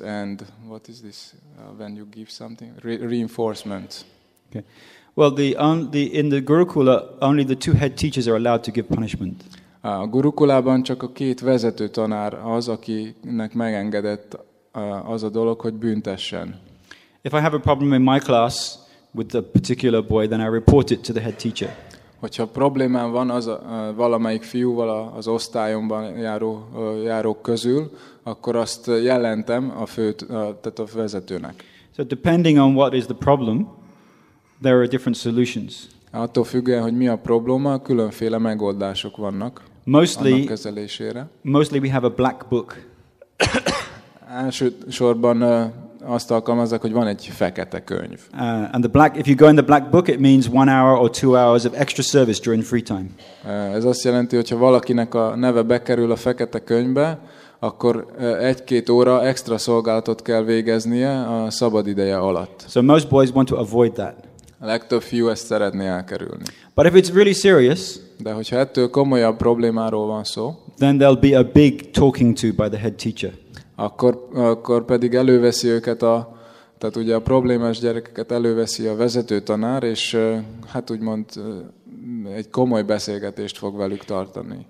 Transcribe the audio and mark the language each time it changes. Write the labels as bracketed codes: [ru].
[en] And what is this when you give something reinforcement? Okay. Well, in the Gurukula, only the two head teachers are allowed to give punishment. [hu] A gurukulában csak a két vezető tanár az, akinek megengedett az a dolog, hogy büntessen. [en] If I have a problem in my class with a particular boy, then I report it to the head teacher. [hu] Hogyha problémám van az valamelyik fiúval az osztályomban járók közül, akkor azt jelentem a vezetőnek. [en] So depending on what is the problem, there are different solutions. [hu] Attól függően, hogy mi a probléma, különféle megoldások vannak. [en] Mostly, [hu] annak kezelésére. [en] Mostly we have a black book. [hu] Elsősorban azt alkalmazzák, hogy van egy fekete könyv. [en] And the black, if you go in the black book, it means 1 hour or 2 hours of extra service during free time. [hu] Ez azt jelenti, hogyha valakinek a neve bekerül a fekete könyvbe, akkor 1-2 óra extra szolgálatot kell végeznie a szabad ideje alatt. [en] So most boys want to avoid that. [hu] A legtöbb fiú ezt szeretné elkerülni. [en] But if it's really serious, [hu] de hogyha ettől komolyabb problémáról van szó, [en] then there'll be a big talking to by the head teacher. [hu] Akkor pedig előveszi őket tehát ugye a problémás gyerekeket előveszi a vezető tanár, és hát úgymond egy komoly beszélgetést fog velük tartani.